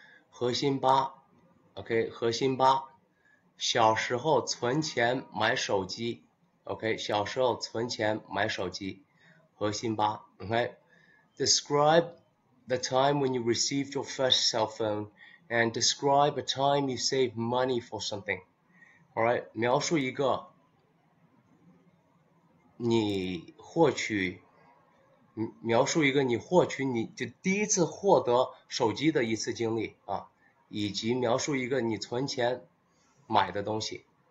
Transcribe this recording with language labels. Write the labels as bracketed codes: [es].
[zh] 核心八，OK，核心八，小时候存钱买手机，OK，小时候存钱买手机。核心八，OK。 [en] Describe the time when you received your first cell phone, and describe a time you saved money for something. [zh] Alright，描述一个你获取，描述一个你获取你就第一次获得手机的一次经历啊，以及描述一个你存钱买的东西。